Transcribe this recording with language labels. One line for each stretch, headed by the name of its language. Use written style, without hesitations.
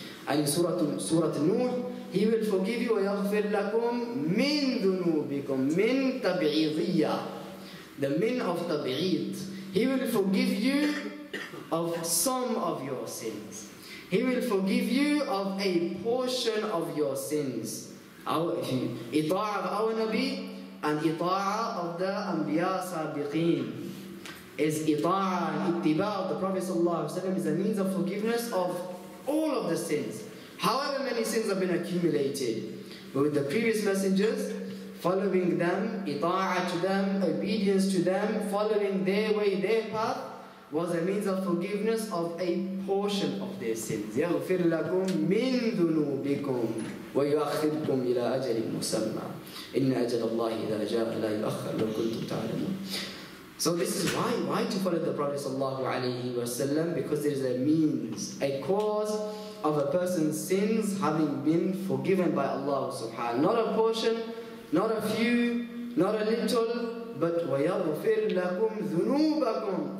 English: And in Surah Nuh, He will forgive you,
Arabic: وَيَغْفِرْ لَكُمْ مِنْ ذُنُوبِكُمْ. مِنْ تَبْعِيضِيَّة,
English: the min of
Arabic: تَبْعِيض.
English: He will forgive you of some of your sins. He will forgive you of a portion of your sins.
Arabic: أو إطاعة أو نبي أن إطاعة
English: of the
Arabic: أنبياء سابقين
English: is
Arabic: إطاعة الاتباع
English: of the Prophet صلى الله عليه وسلم is a means of forgiveness of all of the sins. However many sins have been accumulated, but with the previous messengers, following them, إطاعة to them, obedience to them, following their way, their path, was a means of forgiveness of a portion of their sins.
Arabic: يغفر لكم من ذنوبكم ويؤخركم إلى أجل مسمى إن أجل الله إذا جاء لا يؤخر لو كنتم تعلمون.
English: So this is why to follow the Prophet sallallahu alaihi wasallam, because there is a means, a cause of a person's sins having been forgiven by Allah subhanahu wa ta'ala. Not a portion, not a few, not a little, but
Arabic: وَيَغْفِرْ لَكُمْ ذُنُوبَكُمْ.